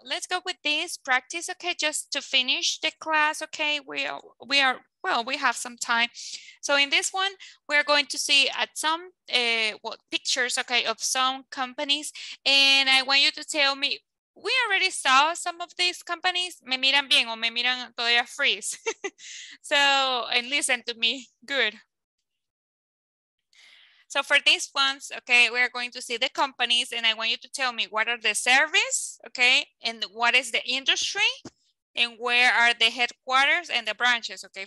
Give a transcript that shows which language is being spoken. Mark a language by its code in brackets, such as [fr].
[en] Let's go with this practice, okay? Just to finish the class, okay? We have some time. So in this one, we're going to see at some pictures, okay, of some companies. And I want you to tell me, we already saw some of these companies. [es] Me miran bien o me miran todavía freeze. [en] So, and listen to me, good. So for these ones, okay, we're going to see the companies and I want you to tell me what are the service, okay, and what is the industry and where are the headquarters and the branches, okay?